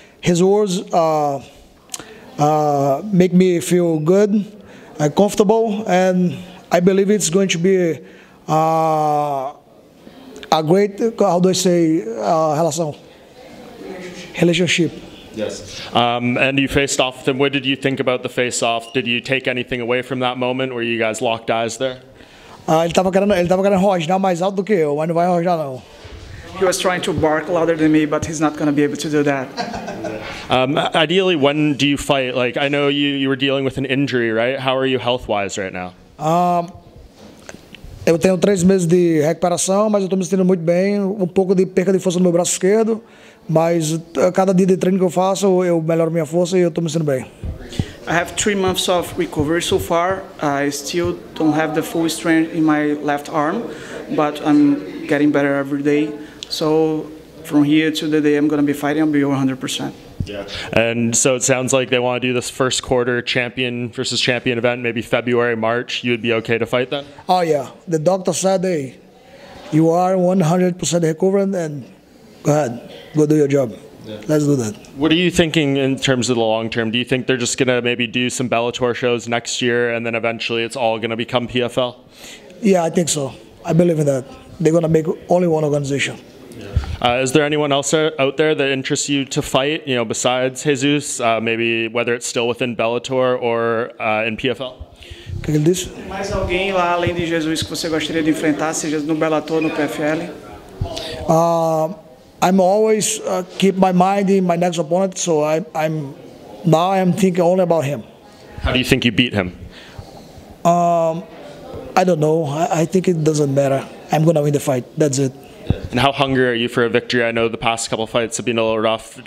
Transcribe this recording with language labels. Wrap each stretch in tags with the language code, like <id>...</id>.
<en>His words make me feel good and comfortable, and I believe it's going to be a great, how do I say, relationship. Yes. And you faced off with him. What did you think about the face-off? Did you take anything away from that moment where you guys locked eyes there?</en> <pt>Ele tava querendo rosnar mais alto do que eu, mas não vai rosnar não.</pt> <en>He was trying to bark louder than me, but he's not going to be able to do that. Ideally, when do you fight? Like, I know you were dealing with an injury, right? How are you health-wise right now?</en> <pt>Eu tenho 3 meses de recuperação, mas eu estou me sentindo muito bem. Um pouco de perca de força no meu braço esquerdo, mas cada dia de treino que eu faço, eu melhoro minha força e eu estou me sentindo bem.</pt> <en>I have 3 months of recovery so far. I still don't have the full strength in my left arm, but I'm getting better every day. So from here to the day I'm going to be fighting, I'll be 100%. Yeah, and so it sounds like they want to do this first quarter champion versus champion event, maybe February, March. You would be okay to fight then? Oh, yeah. The doctor said that you are 100% recovering, and go ahead. Go do your job. Yeah. Let's do that. What are you thinking in terms of the long term? Do you think they're just going to maybe do some Bellator shows next year, and then eventually it's all going to become PFL? Yeah, I think so. I believe in that. They're going to make only one organization. Is there anyone else out there that interests you to fight, you know, besides Jesus, maybe whether it's still within Bellator or in PFL?</en> <pt>Que ele disse? Mais alguém lá além de Jesus que você gostaria de enfrentar, seja no Bellator, no PFL?</pt> <en>I'm always keep my mind in my next opponent, so I'm thinking only about him. How do you think you beat him? I don't know. I think it doesn't matter. I'm going to win the fight. That's it. And how hungry are you for a victory? I know the past couple of fights have been a little rough.</en>